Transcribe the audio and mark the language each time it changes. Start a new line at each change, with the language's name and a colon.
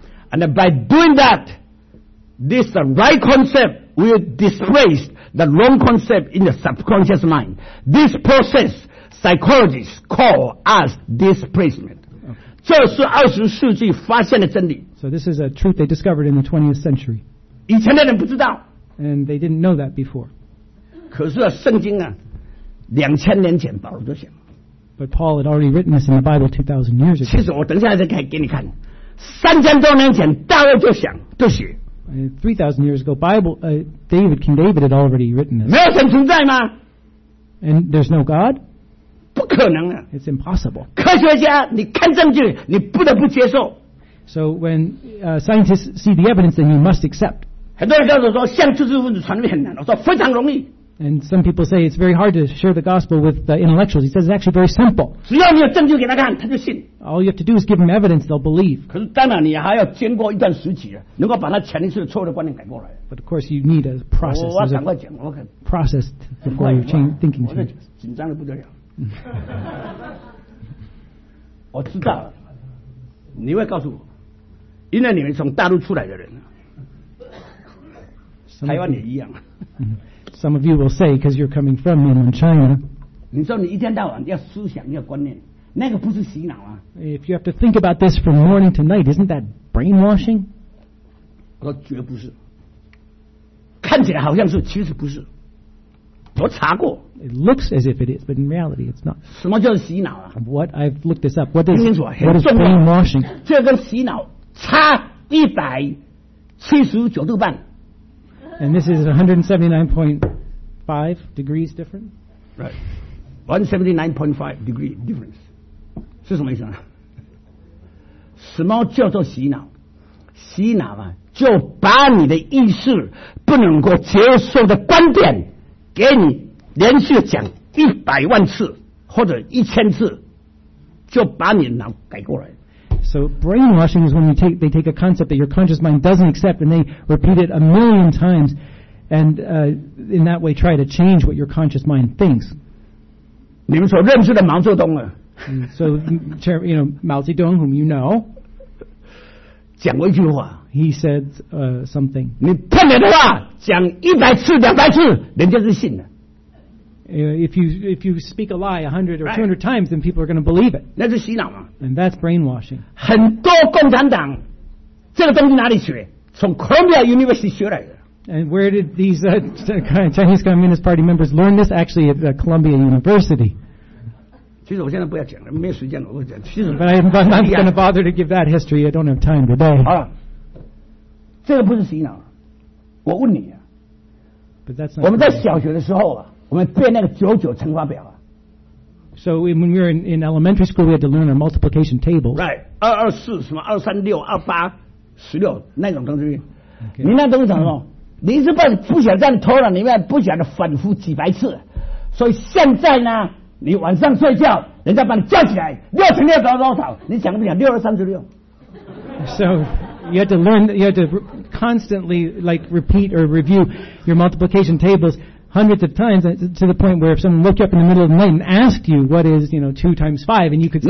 English: And by doing that, this right concept will displace the wrong concept in the subconscious mind. This process, psychologists call as displacement. So this is a truth they discovered in the 20th century.
Chinese: 以前的人不知道。
English: And they didn't know that before.
Chinese: 可是啊，圣经啊，两千年前保罗就写了。
English: But Paul had already written this in the Bible 2,000 years ago.
Chinese: 其实我等下再给你看，三千多年前大卫就想就写。
English: 3,000 years ago, Bible, David, King David had already written this.
Chinese: 没有神存在吗？
English: And there's no God?
Chinese: 不可能啊。
English: It's impossible.
Chinese: 科学家，你看证据，你不得不接受。
English: So when scientists see the evidence, then you must accept.
Chinese: 很多人告诉我说，向知识分子传福音很难。我说非常容易。
English: And some people say it's very hard to share the gospel with the intellectuals. He says it's actually very simple.
Chinese: 只要你有证据给他看，他就信。
English: All you have to do is give them evidence, they'll believe.
Chinese: 可是当然你还要经过一段时期，能够把他潜意识的错误的观念改过来。
English: But of course you need a process.
Chinese: 我赶快讲，我可
English: process before your change, thinking changes.
Chinese: 我紧张的不得了。我知道了，你会告诉我，因为你们从大陆出来的人，台湾也一样。
English: Some of you will say, because you're coming from mainland China,
Chinese: 你说你一天到晚要思想，要观念，那个不是洗脑啊。
English: If you have to think about this from morning to night, isn't that brainwashing?
Chinese: 我绝不是。看起来好像是，其实不是。我查过。
English: It looks as if it is, but in reality, it's not.
Chinese: 什么叫洗脑啊？
English: What, I've looked this up. What is brainwashing?
Chinese: 这跟洗脑差179.5°。
English: And this is 179.5 degrees different? Right. 179.5 degree difference.
Chinese: 是什么意思呢？什么叫做洗脑？洗脑啊，就把你的意识不能够接受的观点给你连续讲100万次或者1000次，就把你的脑改过来。
English: So brainwashing is when you take, they take a concept that your conscious mind doesn't accept and they repeat it 1,000,000 times and in that way try to change what your conscious mind thinks.
Chinese: 你们所认识的毛泽东啊。
English: So, you know, Mao Zedong, whom you know,
Chinese: 讲过一句话。
English: He said something.
Chinese: 你骗人的话讲100次、200次人家就信了。
English: If you speak a lie 100 or 200 times, then people are going to believe it.
Chinese: 那是洗脑嘛。
English: And that's brainwashing.
Chinese: 很多共产党这个东西哪里学？从 Columbia University 学来的。
English: And where did these Chinese Communist Party members learn this? Actually, at Columbia University.
Chinese: 其实我现在不要讲了，没有时间了，我讲。其实
English: But I'm not going to bother to give that history. I don't have time today.
Chinese: 好了，这个不是洗脑。我问你啊。
English: But that's not.
Chinese: 我们在小学的时候啊。我们背那个九九乘法表啊。
English: So when we were in elementary school, we had to learn our multiplication table.
Chinese: Right, 224什么236、286、那种东西。Okay. 你那东西讲什么？你是不想在头脑里面不想的反复几百次，所以现在呢，你晚上睡觉，人家把你叫起来，6×6等于多少？你想不想6×236？
English: So. You had to learn, you had to constantly like repeat or review your multiplication tables hundreds of times to the point where if someone woke you up in the middle of the night and asked you what is, you know, 2×5 and you could say...